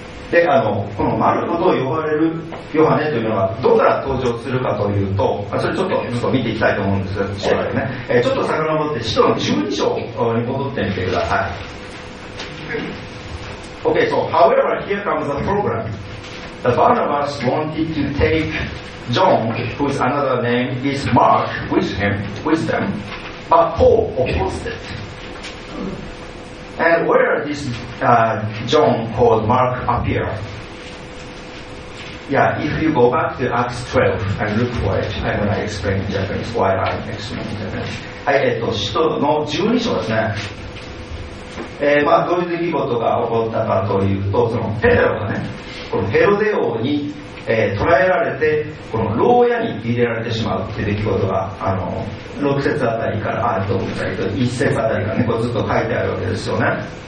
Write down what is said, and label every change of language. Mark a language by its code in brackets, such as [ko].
[ja] で、このマルコと呼ばれるヨハネというのはどこから登場するかというと、それちょっと見ていきたいと思うんですが、ちょっと遡って使徒の12章に戻ってみてください。 [en] Okay, so however, here comes the program. The Barnabas wanted to take John, whose another name is Mark, with them, but Paul opposed it. And where this John called Mark appear? Yeah, if you go back to Acts 12 and look for it, I'm going to explain in Japanese why I explain in Japanese. [ja] はい、使徒の12章ですね。どういう出来事が起こったかというと、そのペテロがね、このヘロデ王に、捕らえられて、この牢屋に入れられてしまうという出来事が、6節あたりから、1節あたりからね、こうずっと書いてあるわけですよね。